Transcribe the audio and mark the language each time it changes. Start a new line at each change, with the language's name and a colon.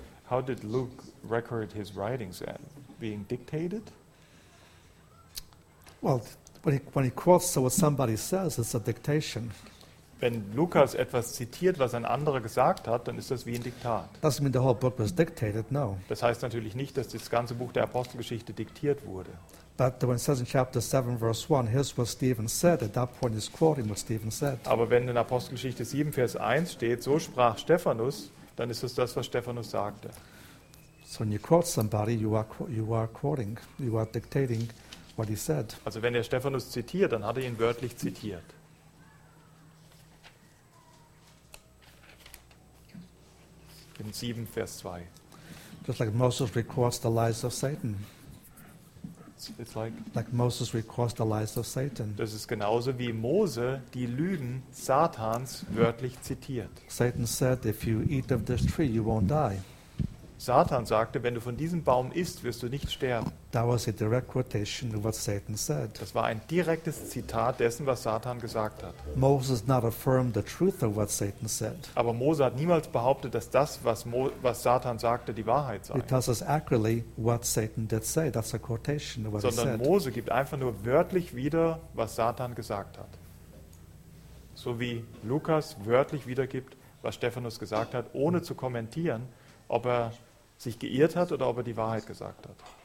English: How did Luke record his writings? Being dictated? Well, when he quotes what somebody says, it's a dictation.
German: Wenn Lukas etwas zitiert, was ein anderer gesagt hat, dann ist das wie ein Diktat.
English: Doesn't mean the whole book was dictated, no.
German: Das heißt natürlich nicht, dass das ganze Buch der Apostelgeschichte diktiert wurde.
English: But when it says in chapter 7, verse 1, here's what Stephen said, at that point he's quoting what Stephen said.
German: Aber wenn in Apostelgeschichte 7, Vers 1 steht, so sprach Stephanus, dann ist es das, was Stephanus sagte.
English: So when you quote somebody, you are quoting, you are dictating what he said.
German: Also wenn er Stephanus zitiert, dann hat er ihn wörtlich zitiert. In 7, Vers 2.
English: Just like Moses records the lies of Satan. It's like Moses records the lies of Satan.
German: Das ist genauso wie Mose die Lügen Satans wörtlich zitiert.
English: Satan said, if you eat of this tree, you won't die.
German: Satan sagte, wenn du von diesem Baum isst, wirst du nicht sterben.
English: That was a direct quotation of what Satan said.
German: Das war ein direktes Zitat dessen, was Satan gesagt hat.
English: Moses not affirmed the truth of what Satan said.
German: Aber Mose hat niemals behauptet, dass das, was Satan sagte, die Wahrheit sei.
English: Because it's accurately what Satan did say. That's a quotation of what
German: Sondern
English: he said.
German: Mose gibt einfach nur wörtlich wieder, was Satan gesagt hat. So wie Lukas wörtlich wiedergibt, was Stephanus gesagt hat, ohne zu kommentieren, ob er sich geirrt hat oder ob er die Wahrheit gesagt hat.